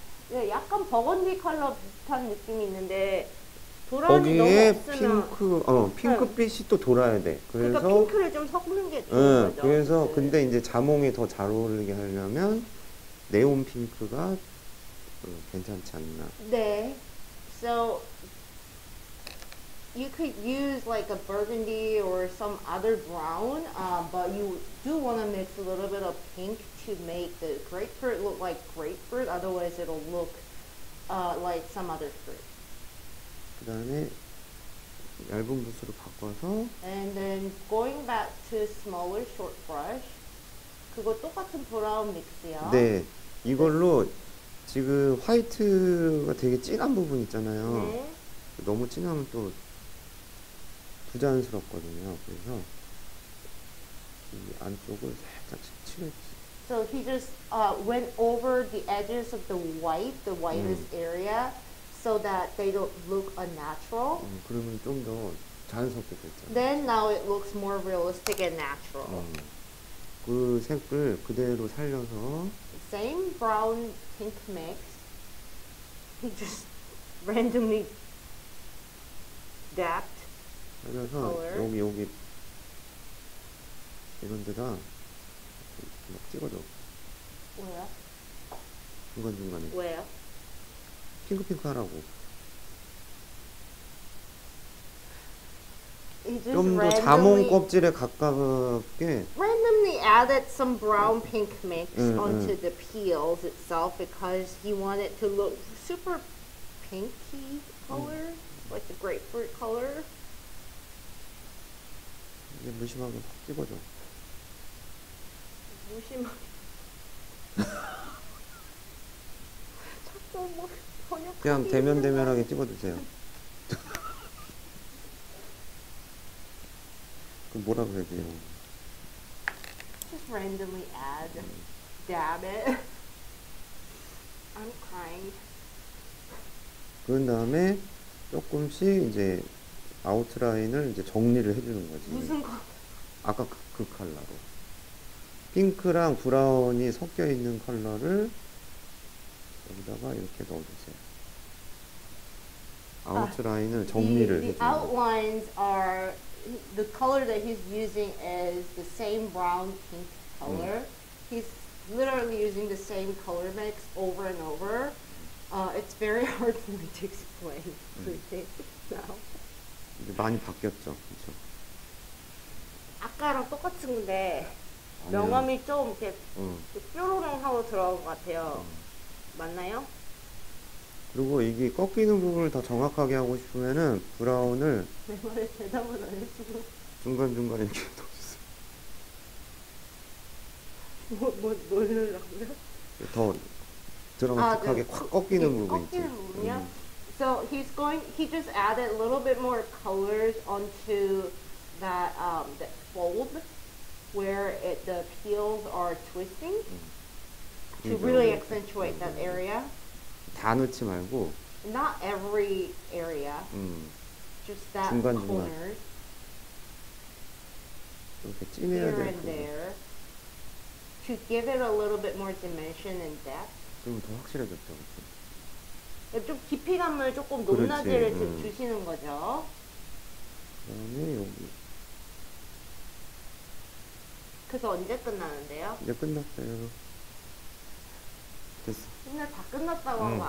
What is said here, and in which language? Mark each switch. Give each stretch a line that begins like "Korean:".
Korean: 네, 약간 버건디 컬러 비슷한 느낌이 있는데 돌아오는 거기에 너무 없으면 핑크 핑크빛이 또 돌아야 돼. 그래서 그러니까 핑크를 좀 섞는 게 좋은 거죠. 그래서 그치. 근데 이제 자몽이 더 잘 어울리게 하려면 네온 핑크가 괜찮지 않나? 네.
English: So you could use like a burgundy or some other brown, but you do want to mix a little bit of pink to make the grapefruit look like grapefruit. Otherwise, it'll look like some other fruit.
Korean: 그다음에 얇은 붓으로 바꿔서.
English: And then going back to smaller short brush.
Korean: 그거 똑같은 브라운 믹스요. 네, 이걸로 지금 화이트가 되게 진한 부분 있잖아요. 네. 너무 진하면 또 부자연스럽거든요. 그래서 이 안쪽을 살짝 칠했지.
English: So he just went over the edges of the whitest area, so that they don't look unnatural.
Korean: 그러면 좀 더 자연스럽게 됐잖아요.
English: Then now it looks more realistic and natural.
Korean: 그 색을 그대로 살려서.
English: Same brown pink mix. He just randomly dabbed.
Korean: 그래서 여기 여기 이런 데다 막 찍어줘. 왜요? 중간 중간에. 왜요? 핑크 핑크 하라고. 좀 더 자몽 껍질에 가깝게.
English: Randomly added some brown pink mix onto the peels itself because he wanted to look super pinky color, like the grapefruit color.
Korean: 이제 무심하게 확 찍어줘. 무심하게. 자꾸 뭐 번역. 그냥 대면 대면하게 찍어주세요. 그 뭐라고 해야 돼요?
English: Just randomly add, dab it. I'm crying.
Korean: 그 다음에 조금씩 이제 아웃라인을 이제 정리를 해주는 거지. 무슨 거? 아까 그 컬러로. 핑크랑 브라운이 섞여 있는 컬러를 여기다가 이렇게 넣어주세요. 아웃라인을 정리를 해주는 거지.
English: The outlines are. The color that he's using is the same brown pink color. He's literally using the same color mix over and over. It's very hard for me to explain. Now.
Korean: 이제 많이 바뀌었죠, 그렇죠? 아까랑 똑같은데 명암이 좀 이렇게 뾰로롱하고 들어온 것 같아요. 맞나요? 그리고 이게 꺾이는 부분을 더 정확하게 하고 싶으면은 브라운을 내 말에 대답은 안 했어. 중간 중간에 이렇게 넣어주세요. 뭐 넣으려고요? 더 드라마틱하게 확 꺾이는 부분. 꺾이는 부분이요?
English: So he's going. He just added a little bit more colors onto that that fold where the peels are twisting to really accentuate that area.
Korean: 다 넣지 말고
English: not every area. Just that
Korean: 중간 중간 이렇게 찜해야 돼.
English: Here and there to give it a little bit more dimension and depth.
Korean: 그럼 더 확실해졌죠. 좀 깊이감을 조금 높낮이를 주시는 거죠. 그다음에 여기 그래서 언제 끝나는데요? 이제 끝났어요. 맨날 다 끝났다고 하고